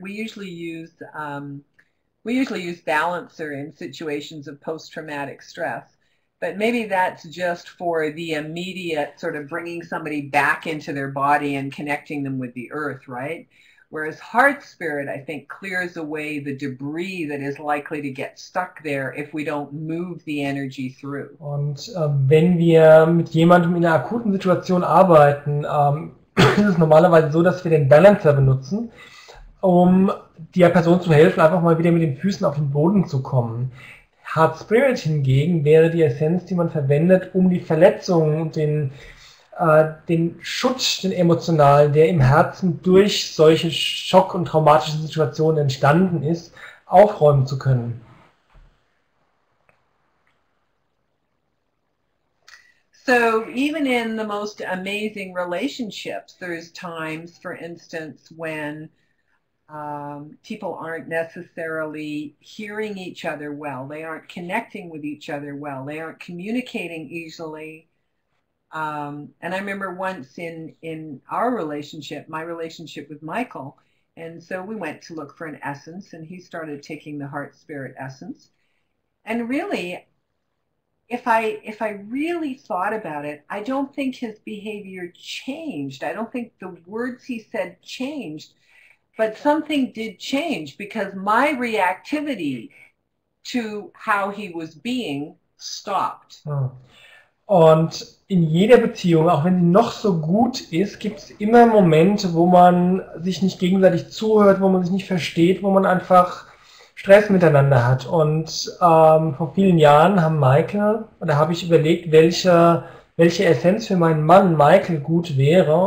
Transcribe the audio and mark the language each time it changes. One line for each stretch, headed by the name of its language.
English: We usually use balancer in situations of post-traumatic stress, but maybe that's just for the immediate sort of bringing somebody back into their body and connecting them with the earth, right? Whereas heart spirit, I think, clears away the debris that is likely to get stuck there if we don't move the energy through.
German: Und wenn wir mit jemandem in einer akuten Situation arbeiten, ist es normalerweise so, dass wir den Balancer benutzen, um der Person zu helfen, einfach mal wieder mit den Füßen auf den Boden zu kommen. Heart Spirit hingegen wäre die Essenz, die man verwendet, um die Verletzungen und den Schutz, den emotionalen, der im Herzen durch solche Schock- und traumatische Situationen entstanden ist, aufräumen zu können.
English: So even in the most amazing relationships, there's times, for instance, when people aren't necessarily hearing each other well, they aren't connecting with each other well, they aren't communicating easily. And I remember once in our relationship, my relationship with Michael, and so we went to look for an essence, and he started taking the heart spirit essence. And really, if I really thought about it, I don't think his behavior changed. I don't think the words he said changed, but something did change because my reactivity to how he was being stopped.
German: Und in jeder Beziehung, auch wenn sie noch so gut ist, gibt es immer Momente, wo man sich nicht gegenseitig zuhört, wo man sich nicht versteht, wo man einfach Stress miteinander hat. Und vor vielen Jahren haben Michael, oder habe ich überlegt, welche Essenz für meinen Mann Michael gut wäre.